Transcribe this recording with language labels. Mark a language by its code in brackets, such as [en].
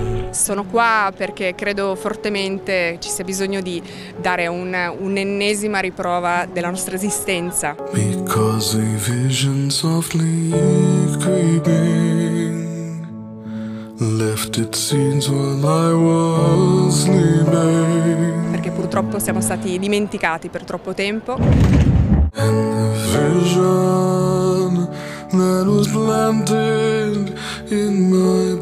[it] sono qua perché credo fortemente ci sia bisogno di dare un'ennesima riprova della nostra esistenza. [en] Because a vision softly creeping left its scenes while I was sleeping. [it] Perché purtroppo siamo stati dimenticati per troppo tempo. [en] And the vision that was planted in my